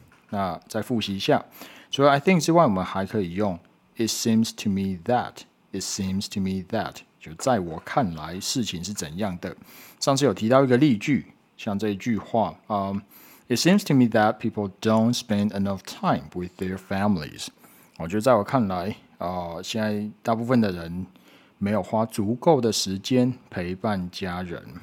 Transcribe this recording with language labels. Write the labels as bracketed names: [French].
[Chinese] 那再复习一下，除了 I think 之外，我们还可以用 [English] It seems to me that， [Chinese] It seems to me that， 就在我看来事情是怎样的。上次有提到一个例句，像这一句话， [English] It seems to me that people don't spend enough time with their families。 [Chinese] 我觉得在我看来，现在大部分的人没有花足够的时间陪伴家人。